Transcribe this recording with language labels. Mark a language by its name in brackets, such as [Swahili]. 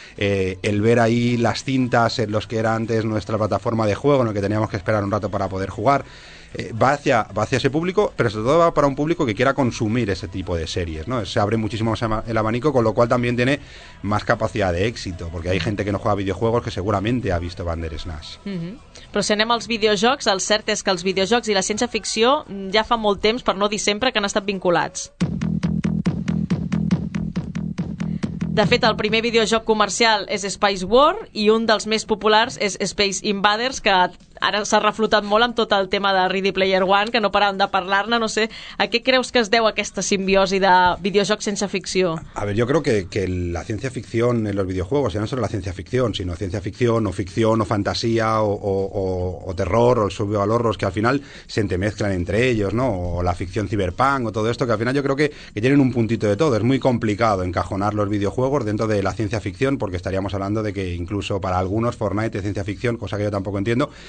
[Spanish] El ver ahí las cintas en los que era antes nuestra plataforma de juego, en el que teníamos que esperar un rato para poder jugar. Va hacia ese público, pero sobre todo va para un público que quiera consumir ese tipo de series, ¿no? Se abre muchísimo más el abanico, con lo cual también tiene más capacidad de éxito, porque hay gente que no juega videojuegos que seguramente ha visto Bandersnatch. [Catalan] Però si anem als videojocs, el cert és que els videojocs i la ciència-ficció ja fa molt temps, per no dir sempre, que han estat vinculats. De fet, el primer videojoc comercial és Space War, i un dels més populars és Space Invaders, que ara s'ha reflotat molt amb tot el tema de Ready Player One, que no paràvem de parlar-ne. No sé, a què creus que es deu aquesta simbiosi de videojocs sense ficció? [Spanish] A ver, yo creo que la ciencia ficción en los videojuegos, ya no solo la ciencia ficción, sino ciencia ficción o ficción o fantasía o terror o el subvalor, que al final se entremezclan entre ellos, ¿no? O la ficción cyberpunk o todo esto, que al final yo creo que tienen un puntito de todo. Es muy complicado encajonar los videojuegos dentro de la ciencia ficción, porque estaríamos hablando de que incluso para algunos Fortnite es ciencia ficción, cosa que yo tampoco entiendo.